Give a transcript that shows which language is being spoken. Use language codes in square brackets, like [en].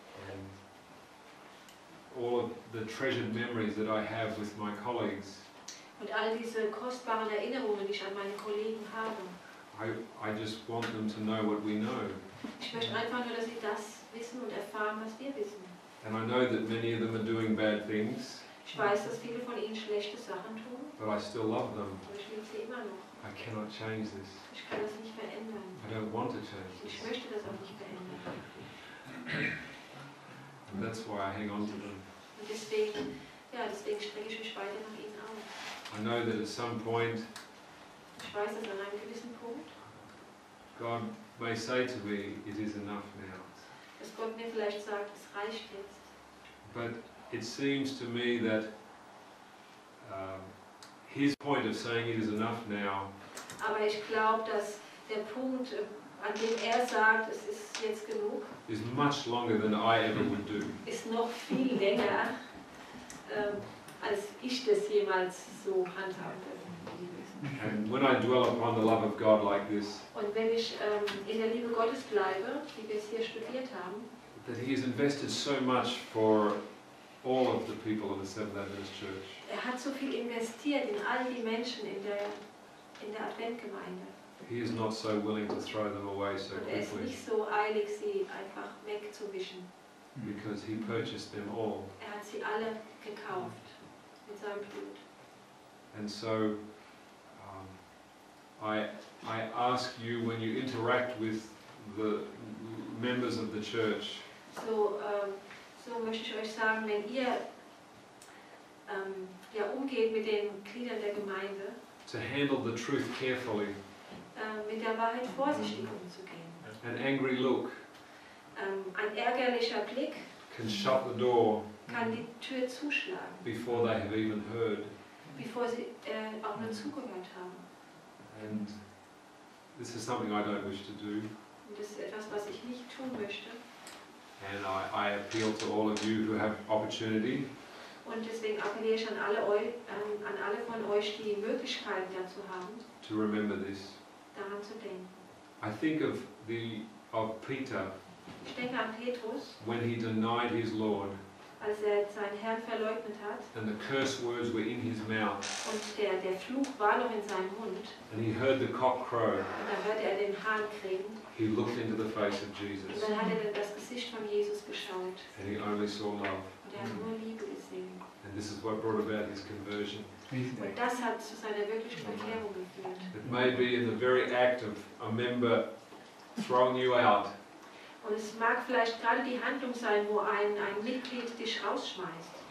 [en] And all of the treasured memories that I have with my colleagues. [de] Und all diese kostbaren Erinnerungen, die ich an meine Kollegen habe. [en] I just want them to know what we know. [de] Ich möchte einfach nur, dass sie das wissen und erfahren, was wir wissen. [en] And I know that many of them are doing bad things. [de] Ich weiß, dass viele von ihnen schlechte Sachen tun. [en] But I still love them. [de] Aber ich liebe sie immer noch. [en] I cannot change this. [de] Ich kann das nicht verändern. [en] I don't want to change this. [de] Ich möchte das auch nicht verändern. [en] And that's why I hang on to them. [de] Und deswegen strecke ich mich weiter nach ihnen aus. [en] I know that at some point, [de] ich weiß, dass an einem gewissen Punkt, [en] God may say to me, it is enough now. [de] Dass Gott mir vielleicht sagt, es reicht jetzt. [en] But it seems to me that his point of saying it is enough now. [de] Aber ich glaube, dass der Punkt, an dem er sagt, es ist jetzt genug, [en] is much longer than I ever would do. [de] Ist noch viel länger, als ich das jemals so handhaben würde. [en] And when I dwell upon the love of God like this, [de] und wenn ich in der Liebe Gottes bleibe, wie wir es hier studiert haben, [en] that he has invested so much for all of the people of the Seventh Adventist Church. [de] Er hat so viel investiert in all die Menschen in der Adventgemeinde. [en] He is not so willing to throw them away so quickly. [de] Er ist nicht so eilig, sie einfach wegzuwischen. [en] Because he purchased them all. [de] Er hat sie alle gekauft mit seinem Blut. [en] And so I ask you, when you interact with the members of the church, [de] so möchte ich euch sagen, wenn ihr umgeht mit den Gliedern der Gemeinde, [en] to handle the truth carefully, [de] mit der Wahrheit vorsichtig umzugehen, [en] an angry look, [de] ein ärgerlicher Blick, [en] can shut the door, [de] kann die Tür zuschlagen, [en] before they have even heard, [de] bevor sie auch nur zugehört haben. [en] And this is something I don't wish to do. [de] Das ist etwas, was ich nicht tun möchte. [en] And I appeal to all of you who have opportunity. [de] Und deswegen appelliere ich an alle von euch, die Möglichkeiten dazu haben. [en] To remember this. [de] Daran zu denken. [en] I think of Peter. [de] Ich denke an Petrus. [en] When he denied his Lord. [de] Als er seinen Herrn verleugnet hat. [en] And the curse words were in his mouth. [de] Und der Fluch war noch in seinem Mund. [en] And he heard the cock crow. [de] Und dann hörte er den Hahn krähen. [en] He looked into the face of Jesus. [de] Und dann hat er das Gesicht von Jesus geschaut. [en] And he only saw love. [de] Und er hat nur Liebe gesehen. [en] And this is what brought about his conversion. [de] Und das hat zu seiner wirklichen Bekehrung geführt. [en] It may be in the very act of a member throwing you out. [de] Und es mag vielleicht gerade die Handlung sein, wo ein Mitglied dich rausschmeißt.